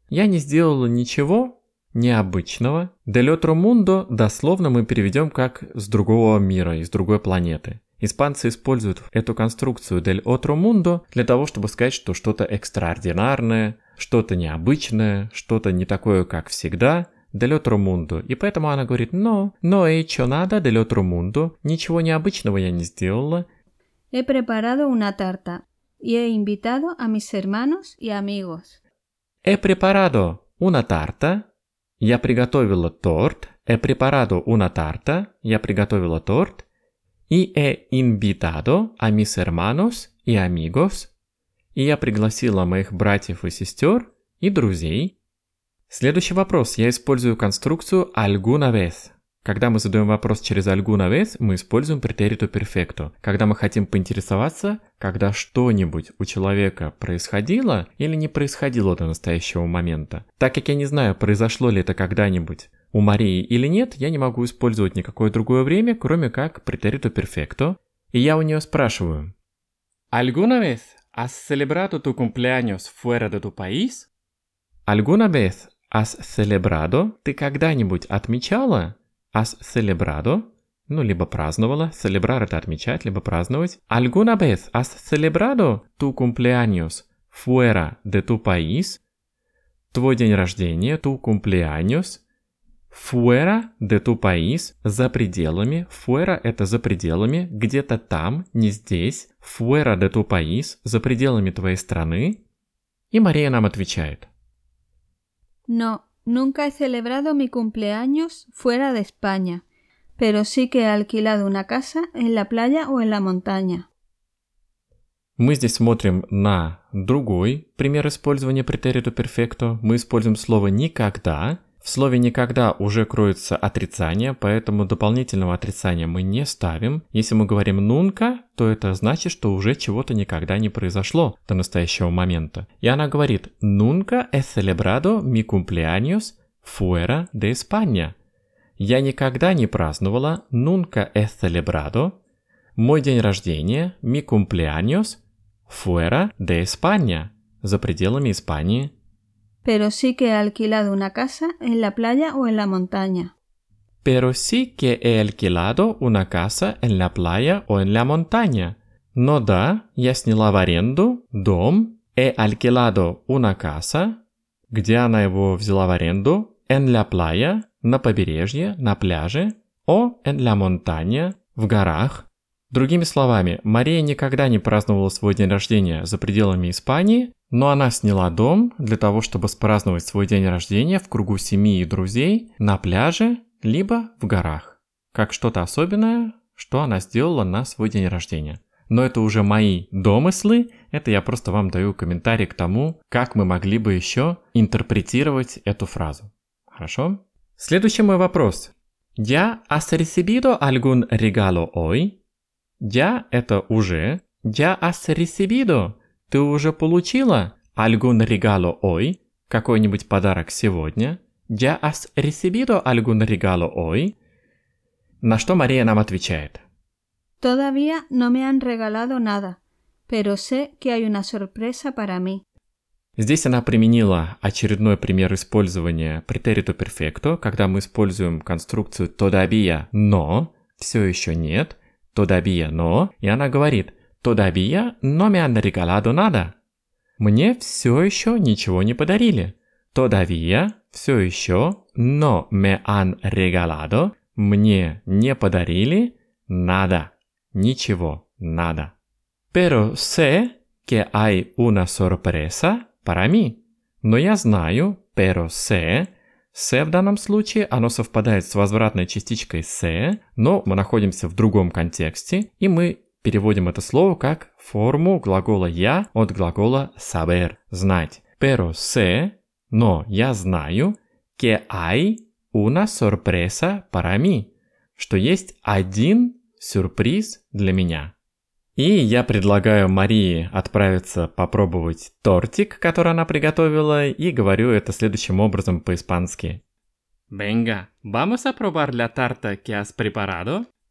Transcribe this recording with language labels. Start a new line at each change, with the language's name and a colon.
Russian: Я не сделала ничего необычного.
Spanish: Del otro mundo
Russian: дословно мы переведем как с другого мира, из другой планеты. Испанцы используют эту конструкцию
Spanish: del otro mundo
Russian: для того, чтобы сказать, что что-то экстраординарное, что-то необычное, что-то не такое, как всегда.
Spanish: Del otro mundo.
Russian: И поэтому она говорит,
Spanish: no he hecho nada del otro mundo.
Russian: Ничего необычного я не сделала.
Spanish: He preparado una tarta y he invitado a mis hermanos y amigos. He preparado una tarta.
Russian: Я приготовила торт.
Spanish: He preparado una tarta.
Russian: Я приготовила торт.
Spanish: Y he invitado a mis hermanos y amigos.
Russian: И я пригласила моих братьев и сестер и друзей. Следующий вопрос. Я использую конструкцию alguna vez. Когда мы задаем вопрос через alguna vez, мы используем претерито перфекто. Когда мы хотим поинтересоваться, когда что-нибудь у человека происходило или не происходило до настоящего момента. Так как я не знаю, произошло ли это когда-нибудь у Марии или нет, я не могу использовать никакое другое время, кроме как претерито перфекто. И я у нее спрашиваю.
Spanish: ¿Alguna vez has celebrado tu cumpleaños fuera de tu país? ¿Alguna vez has celebrado?
Russian: Ты когда-нибудь отмечала?
Spanish: Has celebrado,
Russian: ну, либо праздновала. Celebrar – это отмечать, либо праздновать.
Spanish: Alguna vez has celebrado tu cumpleaños fuera de tu país?
Russian: Твой день рождения,
Spanish: tu cumpleaños, fuera de tu país,
Russian: за пределами. Fuera – это за пределами, где-то там, не здесь.
Spanish: Fuera de tu país,
Russian: за пределами твоей страны. И Мария нам отвечает.
Spanish: No. Nunca he celebrado mi cumpleaños fuera de España, pero sí que he alquilado una casa en la playa o en la montaña.
Russian: Мы здесь смотрим на другой пример использования претерито перфекто. Мы используем слово «никогда». В слове «никогда» уже кроется отрицание, поэтому дополнительного отрицания мы не ставим. Если мы говорим «nunca», то это значит, что уже чего-то никогда не произошло до настоящего момента. И она говорит
Spanish: «nunca he celebrado mi cumpleaños fuera de España».
Russian: Я никогда не праздновала
Spanish: «nunca he celebrado»
Russian: мой день рождения
Spanish: «mi cumpleaños fuera de España»
Russian: за пределами Испании.
Spanish: Pero sí que he alquilado una casa en la playa o en la montaña. Pero sí que he alquilado una casa en la playa o en la montaña.
Russian: Но да, я сняла в аренду дом.
Spanish: He alquilado una casa.
Russian: Где она его взяла в аренду?
Spanish: En la playa,
Russian: на побережье, на пляже.
Spanish: O en la montaña,
Russian: в горах. Другими словами, Мария никогда не праздновала свой день рождения за пределами Испании, Но она сняла дом для того, чтобы спраздновать свой день рождения в кругу семьи и друзей на пляже либо в горах. Как что-то особенное, что она сделала на свой день рождения. Но это уже мои домыслы, это я просто вам даю комментарий к тому, как мы могли бы еще интерпретировать эту фразу. Хорошо? Следующий мой вопрос.
Spanish: Я has recibido algún regalo hoy?
Russian: Я – это уже.
Spanish: Я has recibido –
Russian: ты уже получила
Spanish: algún regalo hoy?
Russian: Какой-нибудь подарок сегодня.
Spanish: Я has recibido algún regalo hoy?
Russian: На что Мария нам отвечает?
Spanish: Todavía no me han regalado nada, pero sé que hay una sorpresa para mí.
Russian: Здесь она применила очередной пример использования претерито перфекто, когда мы используем конструкцию todavía, но все еще нет, todavía, но, и она говорит
Spanish: todavía no me han regalado nada.
Russian: Мне все еще ничего не подарили.
Spanish: Todavía
Russian: все еще
Spanish: no me han regalado,
Russian: мне не подарили
Spanish: nada.
Russian: Ничего, надо.
Spanish: Pero sé que hay una sorpresa para mí.
Russian: Но я знаю,
Spanish: pero sé.
Russian: Sé в данном случае, оно совпадает с возвратной частичкой sé, но мы находимся в другом контексте, и мы переводим это слово как форму глагола я от глагола saber, знать.
Spanish: Pero sé,
Russian: но я знаю,
Spanish: que hay una sorpresa para mí.
Russian: Что есть один сюрприз для меня. И я предлагаю Марии отправиться попробовать тортик, который она приготовила, и говорю это следующим образом по-испански.
Spanish: Venga, vamos a probar la tarta que has preparado.